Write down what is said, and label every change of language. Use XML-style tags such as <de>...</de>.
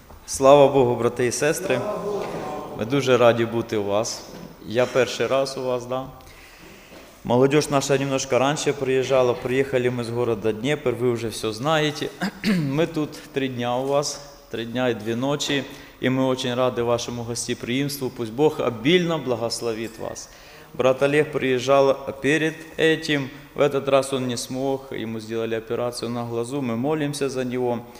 <uk>Слава Богу, брати і сестри, ми дуже раді бути у вас. Я перший раз у вас, да. Молодіж наша немножко раніше приїжджала, приїхали ми з міста Дніпр, ви вже все знаєте. Ми тут три дня у вас, три дня і дві ночі, і ми дуже раді вашому гостеприимству.</uk> <ru>Пусть Бог обильно благословить вас.</ru> <uk>Брат Олег приїжджав перед цим,</uk> <ru>в этот раз</ru> <uk>він не смог, йому зробили операцію на глазу, ми молимося за нього.</uk>